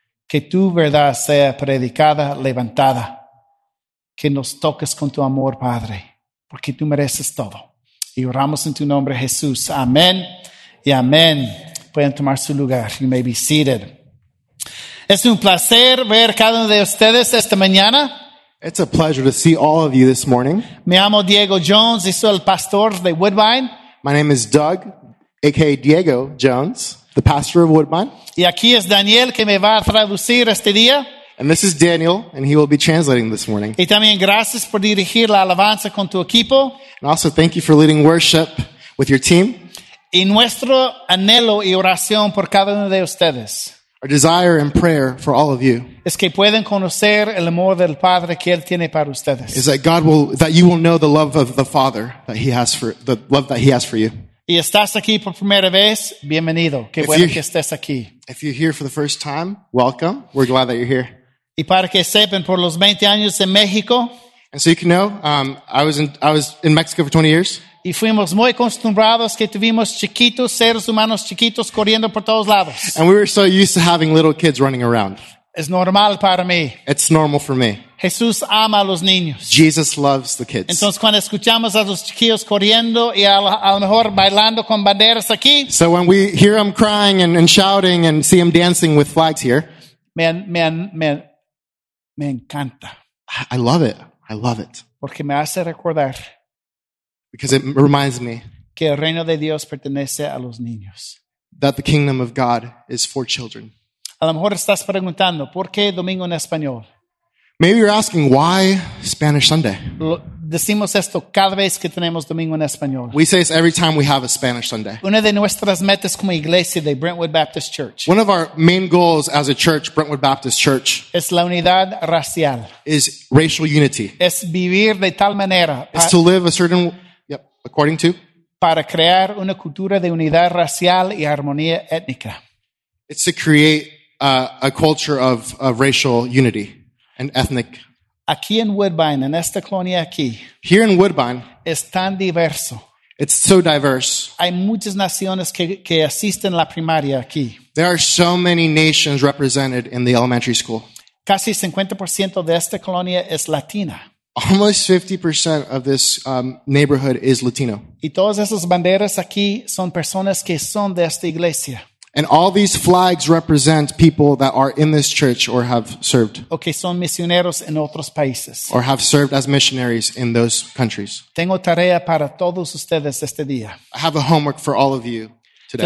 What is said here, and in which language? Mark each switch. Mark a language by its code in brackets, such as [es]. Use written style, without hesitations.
[es] Que tu verdad sea predicada, levantada. Que nos toques con tu amor, Padre, porque tú mereces todo. Y oramos en tu nombre, Jesús. Amén y amén. Pueden tomar su lugar. [en] You may be seated. [es] Es un placer ver cada uno de ustedes esta mañana. [en] It's a pleasure to see all of you this morning. [es] Me llamo Diego Jones y soy el pastor de Woodbine. [en] My name is Doug, a.k.a. Diego Jones, the pastor of Woodbine. [es] Y aquí es Daniel que me va a traducir este día. [en] And this is Daniel, and he will be translating this morning. [es] Y también gracias por dirigir la alabanza con tu equipo. [en] And also thank you for leading worship with your team. [es] Y nuestro anhelo y oración por cada uno de ustedes. [en] Our desire and prayer for all of you. [es] Es que pueden conocer el amor del Padre que él tiene para ustedes. [en] Is that God will, that you will know the love of the Father that he has for, the love that he has for you. [es] Y estás aquí por primera vez, bienvenido. Qué bueno que estés aquí. [en] If you're here for the first time, welcome. We're glad that you're here. [es] Y para que sepan, por los 20 años en México. [en] And so you can know, I was in Mexico for 20 years. [es] Y fuimos muy acostumbrados que tuvimos chiquitos, seres humanos chiquitos corriendo por todos lados. [en] And we were so used to having little kids running around. [es] Es normal para mí. [en] It's normal for me. [es] Jesús ama a los niños. [en] Jesus loves the kids. [es] Entonces cuando escuchamos a los chiquillos corriendo y a lo mejor bailando con banderas aquí. [en] So when we hear them crying and shouting and see them dancing with flags here. [es] Me encanta. [en] I love it. I love it. [es] Porque me hace recordar. [en] Because it reminds me. [es] Que el reino de Dios pertenece a los niños. [en] That the kingdom of God is for children. [es] A lo mejor estás preguntando, ¿por qué domingo en español? [en] Maybe you're asking, why Spanish Sunday? [es] Decimos esto cada vez que tenemos domingo en español. [en] We say this every time we have a Spanish Sunday. [es] Una de nuestras metas como iglesia de Brentwood Baptist Church. [en] One of our main goals as a church, Brentwood Baptist Church. [es] Es la unidad racial. [en] Is racial unity. [es] Es vivir de tal manera. [en] Is to live a certain, yep, according to. [es] Para crear una cultura de unidad racial y armonía étnica. [en] It's to create a culture of racial unity and ethnic. [es] Aquí en Woodbine, en esta colonia aquí. [en] Here in Woodbine. [es] Es tan diverso. [en] It's so diverse. [es] Hay muchas naciones que asisten la primaria aquí. [en] There are so many nations represented in the elementary school. [es] Casi 50% de esta colonia es latina. [en] Almost 50% of this neighborhood is Latino. [es] Y todas esas banderas aquí son personas que son de esta iglesia. [en] And all these flags represent people that are in this church or have served. [es] Okay, son misioneros en otros países. [en] Or have served as missionaries in those countries. [es] Tengo tarea para todos ustedes este día. [en] I have a homework for all of you today.